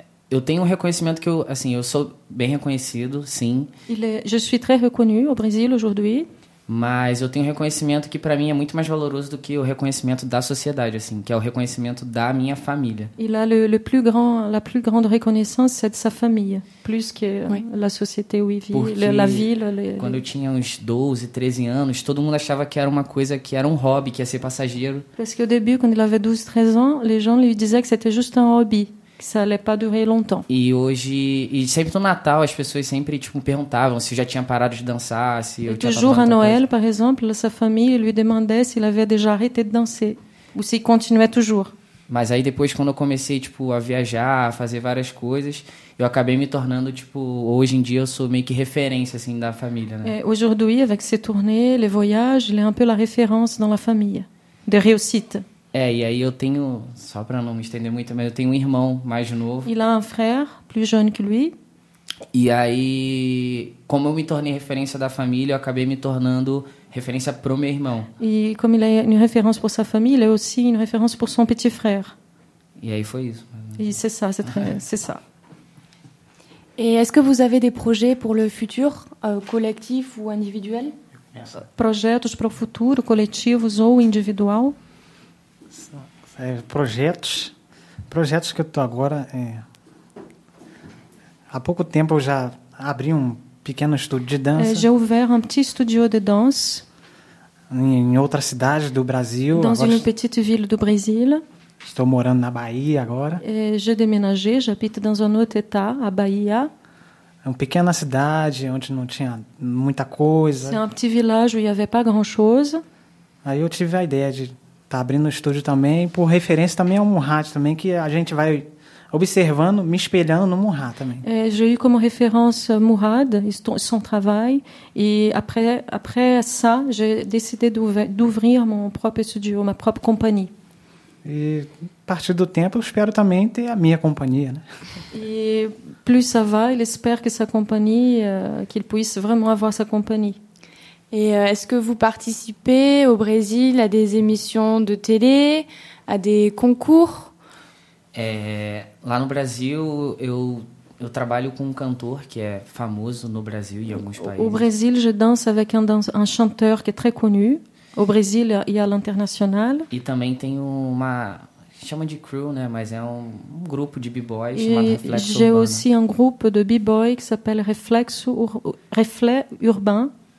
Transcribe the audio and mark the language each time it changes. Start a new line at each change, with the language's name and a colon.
Portuguese: Eu tenho um reconhecimento que eu sou bem reconhecido, sim.
French: Je suis très reconnu au Brésil aujourd'hui.
Portuguese: Mas eu tenho um reconhecimento que para mim é muito mais valoroso do que o reconhecimento da sociedade, assim, que é o reconhecimento da minha família.
French: Il a le plus grand, la plus grande reconnaissance c'est de sa famille, plus que la société où il vit, la ville.
Portuguese: Quando eu tinha uns 12, 13 anos, todo mundo achava que era uma coisa, que era um hobby, que ia ser passageiro.
French: Parce que au début quand il avait 12, 13 ans, les gens lui disaient que c'était juste un hobby. Que ça allait pas durer longtemps.
Portuguese: E hoje, e sempre no Natal, as pessoas sempre tipo perguntavam se eu já tinha parado de dançar, se eu tinha.
French: Toujours à Noël, par exemple, sa famille lui demandait s'il avait déjà arrêté de danser ou s'il continuait toujours.
Portuguese: Mas aí depois quando eu comecei tipo a viajar, a fazer várias coisas, eu acabei me tornando tipo, hoje em dia eu sou meio que referência assim da família, né?
French: Aujourd'hui avec ses tournées, les voyages, il est un peu la référence dans la famille. De réussite.
Portuguese: E aí eu tenho, só para não me estender muito, mas eu tenho um irmão mais novo.
French: Il a un frère plus jeune que lui.
Portuguese: E aí, como eu me tornei referência da família, eu acabei me tornando referência pro meu irmão. E como ele é uma referência
French: pour sa famille,
Portuguese: ele é
French: aussi une référence pour son petit frère.
Portuguese: E aí foi isso.
French: E c'est ça, c'est très, c'est ça. Et est-ce que vous avez des projets pour le futur, collectif ou individuel?
Portuguese: Projetos para o futuro, coletivos ou individual? Projetos que eu estou agora. Há pouco tempo eu já abri um pequeno estúdio de dança.
French: J'ai ouvert un petit studio de danse.
Portuguese: Em outra cidade do Brasil.
French: Dans
Portuguese: agora,
French: une petite ville du Brésil.
Portuguese: Estou morando na Bahia agora.
French: J'ai déménagé, j'habite dans un autre état, à Bahia.
Portuguese: É uma pequena cidade onde não tinha muita coisa.
French: C'est un petit village où il n'y avait pas grand chose.
Portuguese: Aí eu tive a ideia de tá abrindo um estúdio também, por referência também ao Murat, também, que a gente vai observando, me espelhando no Murat também.
French: É, j'ai eu como referência Murat, son travail, e après ça, j'ai décidé d'ouvrir mon propre studio, ma propre compagnie.
Portuguese: E a partir do tempo, eu espero também ter a minha companhia, né?
French: E plus ça va, il espère que sa compagnie, qu'il puisse vraiment avoir sa compagnie. Et est-ce que vous participez au Brésil à des émissions de télé, à des concours?
Portuguese: Lá no Brasil, eu trabalho com um cantor que é famoso no Brasil e alguns países.
French: Au Brésil, je danse avec un chanteur qui est très connu au Brésil et à l'international.
Portuguese: E também tem uma chama de crew, né, mas é um grupo de b-boys chamado Reflexo Urbano.
French: J'ai aussi un groupe de b-boys qui s'appelle Reflet Urbain.